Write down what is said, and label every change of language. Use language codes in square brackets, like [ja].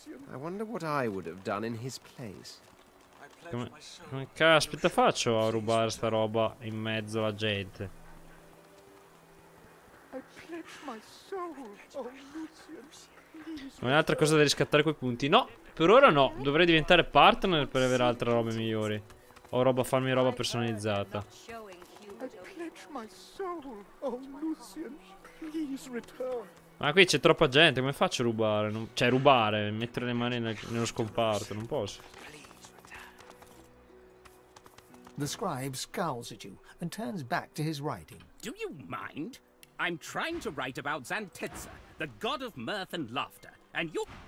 [en] I wonder what I would have done in his place. [it] Come caspita faccio a rubare sta roba in mezzo alla gente? Non è altra cosa da riscattare quei punti? No, per ora no. Dovrei diventare partner per avere altre robe migliori. O roba, farmi roba personalizzata. Ma qui c'è troppa gente, come faccio a rubare? Non... cioè rubare, mettere le mani nello scomparto, non posso. [en] The scribe scowls at you and turns back to his writing. Do you mind? I'm trying to write about Zantezza, the god of mirth and laughter, and you.